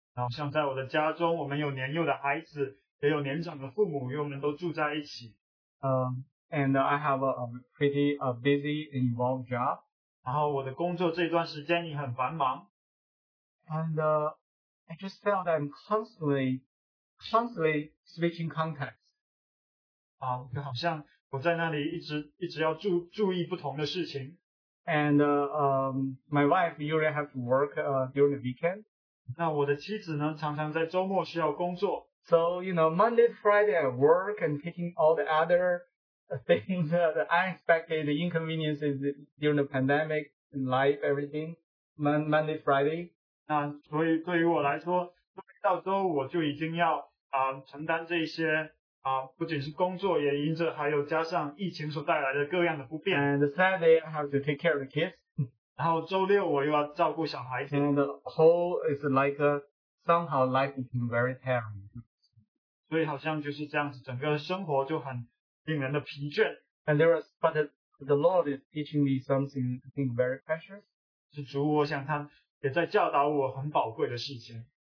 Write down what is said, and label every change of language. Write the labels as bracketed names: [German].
[Chinese] 然后像在我的家中，我们有年幼的孩子，也有年长的父母，我们都住在一起。 [English] And I have a pretty busy and involved job. [Chinese] 然后我的工作这段时间也很繁忙。 [English] And I just felt that I'm constantly switching contacts. [Chinese] 就好像我在那里一直要注意不同的事情。 [English] And my wife usually have to work during the weekend. [Chinese] 那我的妻子呢，常常在周末需要工作。 [English] So Monday, Friday I work and taking all the other things, the unexpected inconveniences during the pandemic, life, everything. Monday, Friday. [Chinese] 那所以对于我来说，到周五我就已经要承担这些。不仅是工作，也因着还有加上疫情所带来的各样的不便。 [English] And Saturday I have to take care of the kids. [Chinese] 然后周六我又要照顾小孩子。 [English] And the whole is somehow life became very terrible. [Chinese] 所以好像就是这样子，整个生活就很令人的疲倦。 [English] And but the Lord is teaching me something I think very precious. [Chinese] 是主，我想他也在教导我很宝贵的事情。